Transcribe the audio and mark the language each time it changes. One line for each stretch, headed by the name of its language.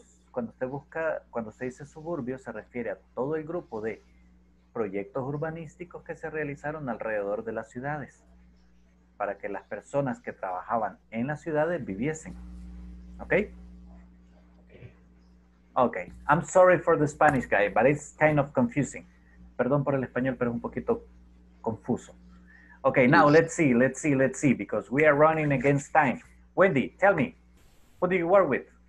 Spanish: Cuando usted dice suburbios, se refiere a todo el grupo de proyectos urbanísticos que se realizaron alrededor de las ciudades para que las personas que trabajaban en las ciudades viviesen, ¿ok?
English: Okay, I'm sorry for the Spanish guy, but it's kind of confusing.
Spanish: Perdón por el español, pero es un poquito confuso.
English: Okay, now let's see, because we are running against time. Wendy, tell me, what do you work with?